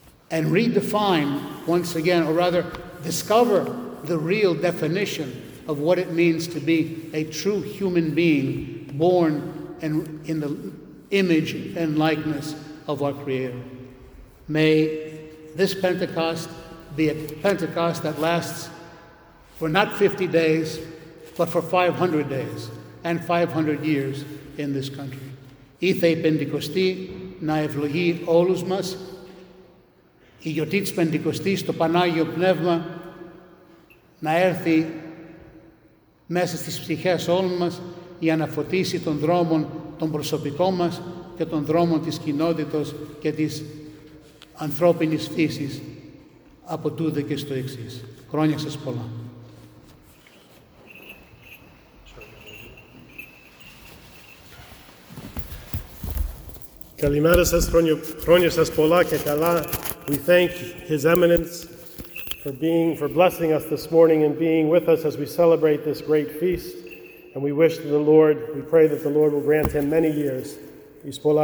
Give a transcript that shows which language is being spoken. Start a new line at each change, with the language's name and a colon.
English: and redefine once again, or rather discover the real definition of what it means to be a true human being born in the image and likeness of our Creator. May this Pentecost be a Pentecost that lasts for not 50 days, but for 500 days and 500 years in this country.
Greek: Ithe Pentecosti, na ευλογεί όλους μας, η γιορτή της Πεντηκοστής, το Πανάγιο Πνεύμα, να έρθει μέσα στις ψυχές όλων μας για να φωτίσει τον δρόμο των προσωπικών μας και τον δρόμο της κοινότητος και της ανθρώπινης φύσης από τούδε και στο εξής. Χρόνια σας πολλά. Καλημέρα σας, χρόνια σας πολλά και καλά.
English: We thank His Eminence for blessing us this morning and being with us as we celebrate this great feast. And we pray that the Lord will grant him many years.